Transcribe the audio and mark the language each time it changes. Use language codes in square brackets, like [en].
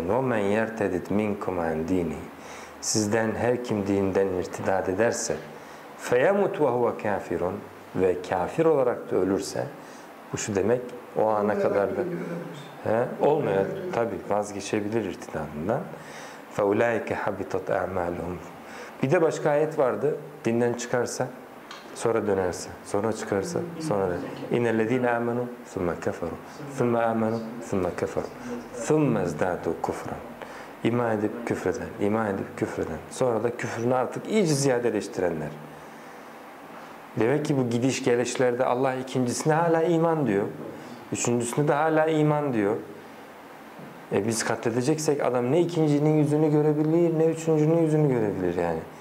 [ar] وَمَنْ يَرْتَدِدْ مِنْكُمْ اَنْ دِينِهِ [tr] Sizden her kim dininden irtidat ederse [ar] فَيَمُتْ وَهُوَ كَافِرٌ [tr] Ve kafir olarak da ölürse, bu şu demek, o ana kadar da olmuyor. Tabii vazgeçebilir irtidatından. [ar] فَاُولَٰئِكَ حَبِطَتْ اَعْمَالُهُمْ [tr] Bir de başka ayet vardı. Dinden çıkarsa, sonra dönerse, sonra çıkarsa, sonra dönerse. [ar] اِنَّ الَّذ۪ينَ اَمَنُوا ثُمَّ كَفَرُوا ثُمَّ اَمَنُوا ثُمَّ كَفَرُوا ثُمَّ اَزْدَادُوا كُفْرًا [tr] İman edip küfreden, iman edip küfreden. Sonra da küfrünü artık iyice ziyadeleştirenler. Demek ki bu gidiş gelişlerde Allah ikincisine hala iman diyor. Üçüncüsüne de hala iman diyor. E biz katledeceksek adam ne ikincinin yüzünü görebilir, ne üçüncünün yüzünü görebilir yani.